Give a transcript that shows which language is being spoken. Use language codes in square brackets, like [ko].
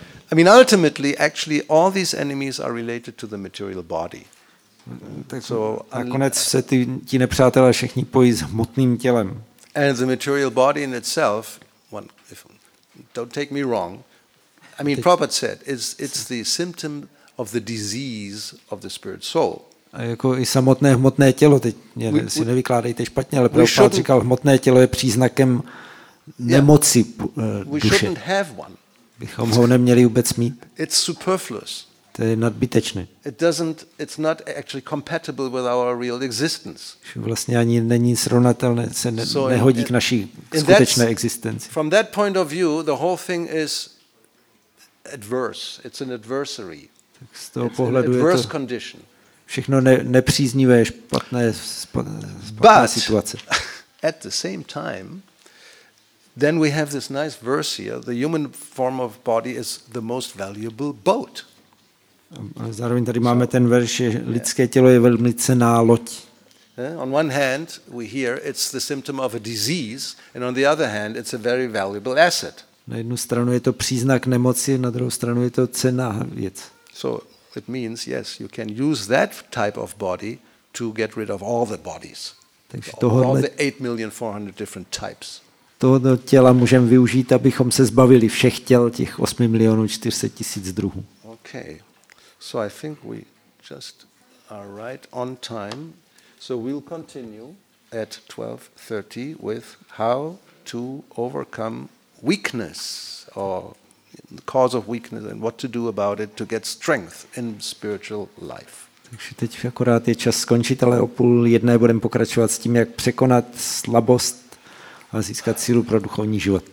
[en] I mean, ultimately, actually, all these enemies are related to the material body. [cs] So, nakonec se ti nepřátelé všichni pojí s hmotným tělem. [en] And the material body in itself, one, if, don't take me wrong. I mean, Prabhupada said, it's the symptom of the disease of the spirit soul. [cs] A jako i samotné hmotné tělo, teď mě, si nevykládejte špatně, ale Prabhupada říkal, hmotné tělo je příznakem nemoci duše. [en] We shouldn't have one. [cs] Bychom ho neměli vůbec mít. [en] It's superfluous. [cs] To je nadbytečné. [en] It's not actually compatible with our real existence. [cs] Vlastně ani není srovnatelné, se nehodí k naší skutečné existenci. [en] From that point of view, the whole thing is adverse. It's an adversary. [cs] Tak z toho pohledu je to [en] condition. [cs] Všechno nepříznivé, špatné situace. [en] At the same time, then we have this nice verse here, the human form of body is the most valuable boat. [cs] Zároveň tady máme ten verš, že lidské tělo je velmi cenná loď. [en] On one hand we hear it's the symptom of a disease and on the other hand it's a very valuable asset. [cs] Na jednu stranu je to příznak nemoci, na druhou stranu je to cenná věc. [en] So it means yes, you can use that type of body to get rid of all the bodies. [cs] Takže tohle, [en] all the 8,400 different types. [cs] Tohoto těla můžeme využít, abychom se zbavili všech těl těch 8,400,000 druhů. [en] Okay. So I think we just are right on time. So we'll continue at 12:30 with how to overcome weakness or the cause of weakness and what to do about it to get strength in spiritual life. [cs] Takže teď akorát je čas skončit, ale o půl jedné budeme pokračovat s tím, jak překonat slabost a získat sílu pro duchovní život.